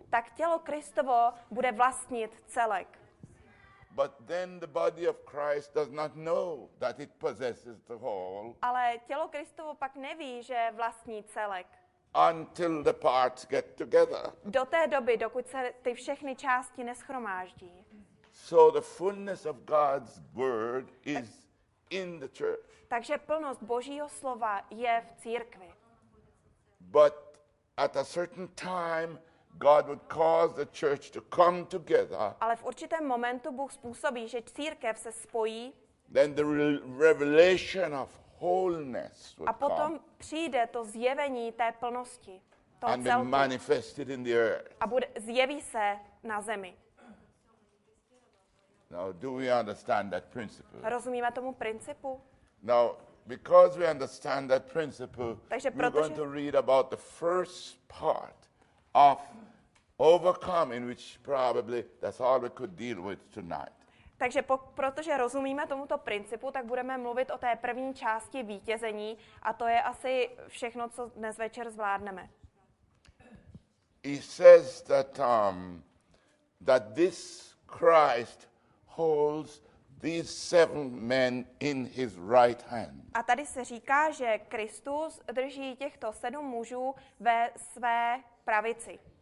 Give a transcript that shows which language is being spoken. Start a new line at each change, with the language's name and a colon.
Czech: Tak tělo Kristovo bude vlastnit celek.
English: But then the body of Christ does not know that it possesses the whole.
Czech: Ale tělo Kristovo pak neví, že vlastní celek.
English: Until the parts get together.
Czech: Do té doby, dokud se ty všechny části neshromáždí.
English: So the fullness of God's word is in the church.
Czech: Takže plnost Božího slova je v církvi.
English: But at a certain time God would cause the church to come together.
Czech: Ale v určitém momentu Bůh způsobí, že církev se spojí.
English: Then the revelation of wholeness would come.
Czech: A potom přijde to zjevení té plnosti, toho celku.
English: And be manifested in the earth.
Czech: A bude zjeví se na zemi.
English: Now, do we understand that principle?
Czech: Rozumíme tomu principu?
English: Now, because we understand that principle,
Czech: takže
English: we're going to read about the first part of overcoming, which probably that's all we could deal with tonight.
Czech: Takže protože rozumíme tomuto principu, tak budeme mluvit o té první části vítězení a to je asi všechno, co dnes večer zvládneme.
English: He says that that this Christ holds these seven men in his right hand.
Czech: A tady se říká, že Kristus drží těchto sedm mužů ve své pravici.